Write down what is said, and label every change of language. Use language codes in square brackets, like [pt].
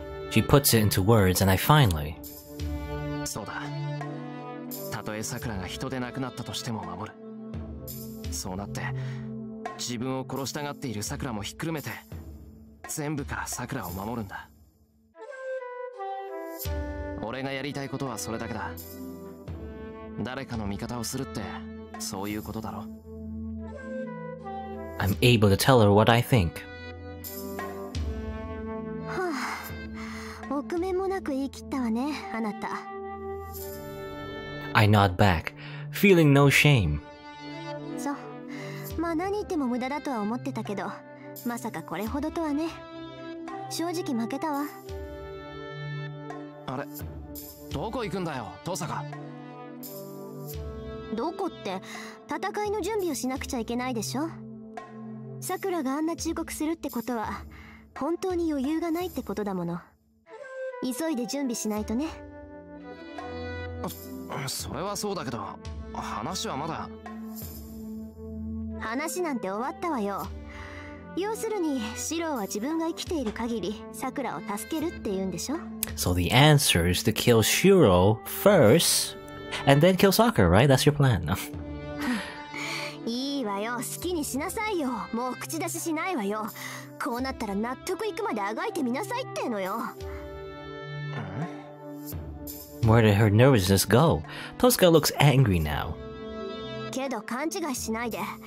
[en] She puts it into words and I finally... [ja] そうだ。たとえさくらが人で亡くなったとしても守る。そうなって自分を殺したがっているさくらもひっくるめて、全部からさくらを守るんだ。俺がやりたいことはそれだけだ。誰かの味方をするってそういうことだろ。 [en] I'm able to tell her what I think. [ja] はぁ、臆面もなく言い切ったわね、あなた。 [en] I nod back, feeling no shame. [ja] そう、まあ何言っても無駄だとは思ってたけど、まさかこれほどとはね。正直負けたわ。あれ、どこ行くんだよ、遠坂。どこって、戦いの準備をしなくちゃいけないでしょ。さくらがあんな忠告するってことは、本当に余裕がないってことだもの。急いで準備しないとね。それはそうだけど、話はまだ。話なんて終わったわよ。要するに、シロは自分が生きている限り、さくらを助けるって言うんでしょ。 [en] So the answer is to kill Shiro first and then kill Sakura, right? That's your plan. [ja] いいわよ、好きにしなさいよ。もう口出ししないわよ。こうなったら納得いくまであがいてみなさいってのよ。 [en] Where did her nervousness go? Tosuka looks angry now. [ja] けど勘違いしないで。